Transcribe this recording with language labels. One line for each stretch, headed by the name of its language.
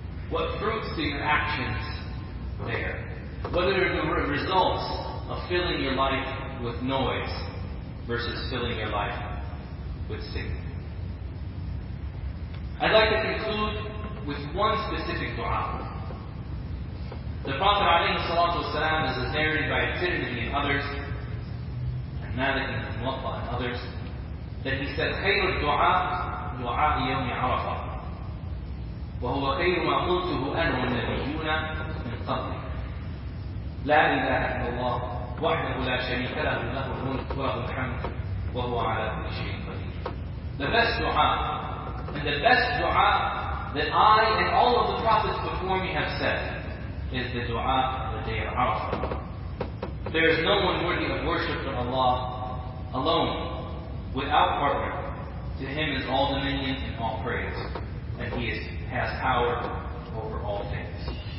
English: What fruits do your actions bear? What are the results of filling your life with noise versus filling your life with singing? I'd like to conclude with one specific dua. The Prophet alayhi salatu wasalam, as is narrated by Tirmidhi and others, and Malik and Muwatta and others, that he said,
Arabic: خَيْرُ الدُّعَاء دُعَاء يَوْمِ عَرَفَ وَهُوَ خَيْرُ مَا قُلْتُهُ أَنَا وَالنَّبِيُّونَ مِنْ قَبْلِ لَا إِلَهَ إِلَّا اللَّهُ وَحْدَهُ لَا شَرِيكَ لَهُ لَهُ الْمُلْكُ وَلَهُ الْحَمْدُ وَهُوَ عَلَى كُلِّ شَيْءٍ قَدِيرٌ.
English: The best dua, and the best dua that I and all of the prophets before me have said, is the dua of the day of Arafa. There is no one worthy of worship but Allah alone, without partner. To Him is all dominion and all praise, and He has power over all things.